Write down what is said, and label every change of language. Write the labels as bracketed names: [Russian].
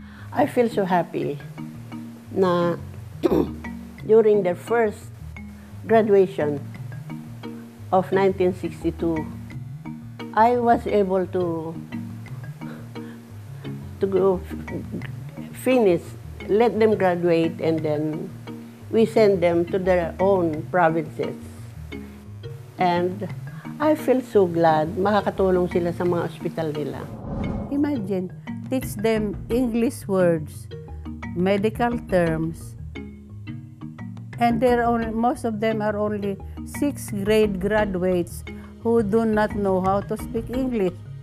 [English] I feel so happy that during their first graduation of 1962, I was able to go finish, let them graduate, and then we send them to their own provinces. And I feel so glad. [Filipino] Makakatulong sila sa mga ospital nila. [English] Imagine, teach them English words, medical terms, and they're only, most of them are only sixth grade graduates who do not know how to speak English.